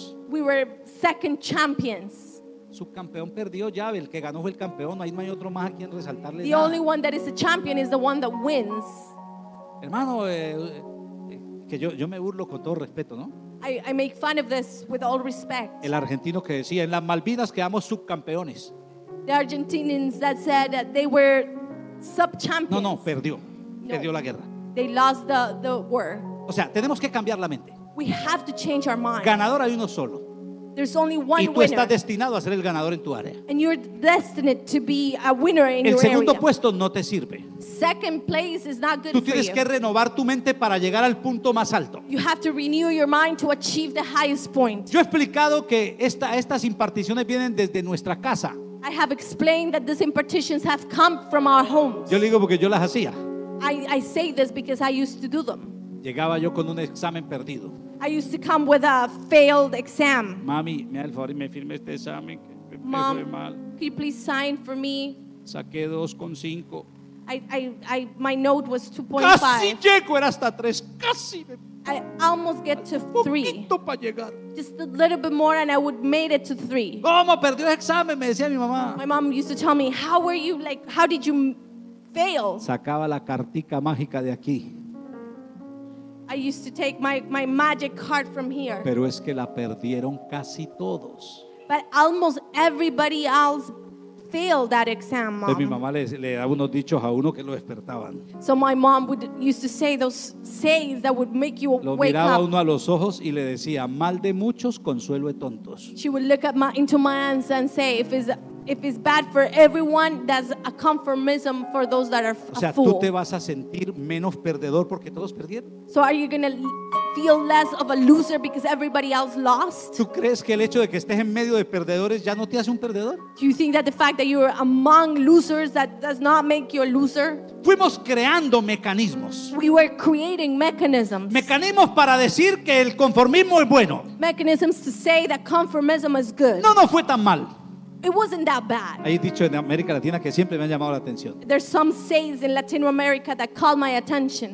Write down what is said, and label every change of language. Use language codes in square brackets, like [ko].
[en] We were second champions. [es] Subcampeón perdió llave, el que ganó fue el campeón, ahí no hay otro más a quien resaltarle. [en] The only one that is a champion is the one that wins. [es] Hermano, que yo me burlo con todo respeto, ¿no? [en] I make fun of this with all respect. [es] El argentino que decía en las Malvinas quedamos subcampeones. [en] The Argentinians that said that they were sub-champions. [es] No, perdió. No, perdió la guerra. [en] They lost the war. [es] O sea, tenemos que cambiar la mente. [en] We have to change our mind. [es] Ganador hay uno solo. [en] There's only one winner. [es] Y tú estás destinado a ser el ganador en tu área. [en] And you're destined to be a winner in your area. [es] El segundo puesto no te sirve. [en] Second place is not good for you. [es] Tú tienes que renovar tu mente para llegar al punto más alto. [en] You have to renew your mind to achieve the highest point. [es] Yo he explicado que estas imparticiones vienen desde nuestra casa. [en] I have explained that these impartitions have come from our homes. [es] Yo le digo porque yo las hacía. [en] I say this because I used to do them. [es] Llegaba yo con un examen perdido. [en] I used to come with a failed exam. [es] Mami, me da el favor y me firme este examen. [en] Mom, [es] mal. [en] Could you please sign for me? [es] Saqué 2.5. [en] I my note was 2.5. [es] Casi llego, era hasta 3. Casi. [en] I almost get to 3. [es] Un poquito para llegar. [en] Just a little bit more and I would made it to 3. [es] ¿Cómo perdió el examen? Me decía mi mamá. [en] My mom used to tell me, how were you, like, how did you fail? [es] Sacaba la cartica mágica de aquí. [en] I used to take my magic card from here. [es] Pero es que la perdieron casi todos. [en] But almost everybody else failed that exam, mom. [es] Mi mamá le daba unos dichos a uno que lo despertaban. [en] So my mom would used to say those sayings that would make you [es] lo [en] wake up. [es] Lo miraba uno a los ojos y le decía, mal de muchos, consuelo de tontos. [en] She would look at into my eyes and say, if it's bad for everyone, that's a conformism for those that are a fool. [es] O sea, tú te vas a sentir menos perdedor porque todos perdieron. [en] So are you going to feel less of a loser because everybody else lost? [es] ¿Tú crees que el hecho de que estés en medio de perdedores ya no te hace un perdedor? [en] Do you think that the fact that you are among losers that does not make you a loser? [es] Fuimos creando mecanismos. [en] We were creating mechanisms. [es] Mecanismos para decir que el conformismo es bueno. [en] Mechanisms to say that conformism is good. [es] No fue tan mal. [en] It wasn't that bad. [es] Hay dicho en América Latina que siempre me han llamado la atención. [en] There's some sayings in Latin America that call my attention.